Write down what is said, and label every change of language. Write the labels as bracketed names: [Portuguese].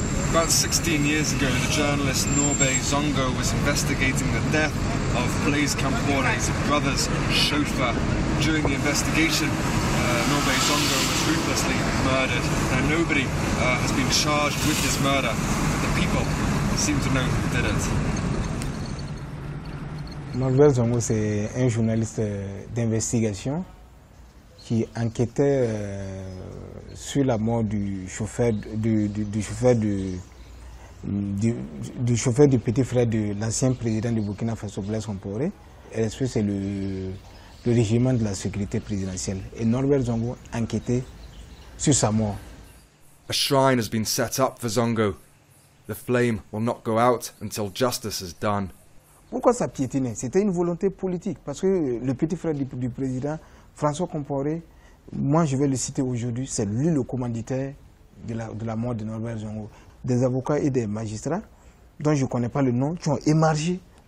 [English] About 16 years ago, the journalist Norbe Zongo was investigating the death of Blaise Campore's brother's chauffeur. During the investigation, Norbe Zongo was ruthlessly murdered. Now, nobody has been charged with his murder, but the people You seem to know who did it. [French] Manuel Zongo, c'est un journaliste d'investigation qui enquêtait sur la mort du chauffeur du petit frère de l'ancien président du Burkina Faso, Blaise Compaoré. RSPU, c'est le régiment de la sécurité présidentielle. Et Norbert Zongo enquêtait sur sa mort. [English] A shrine has been set up for Zongo. The flame will not go out until justice is done. [French] Pourquoi ça piétinait? C'était une volonté politique. Parce que le petit frère du président, François Compaoré, moi je vais le citer aujourd'hui, c'est lui le commanditaire de la mort de Norbert Zongo. Des avocats et des magistrats, dont je ne connais pas le nom, qui ont émargé.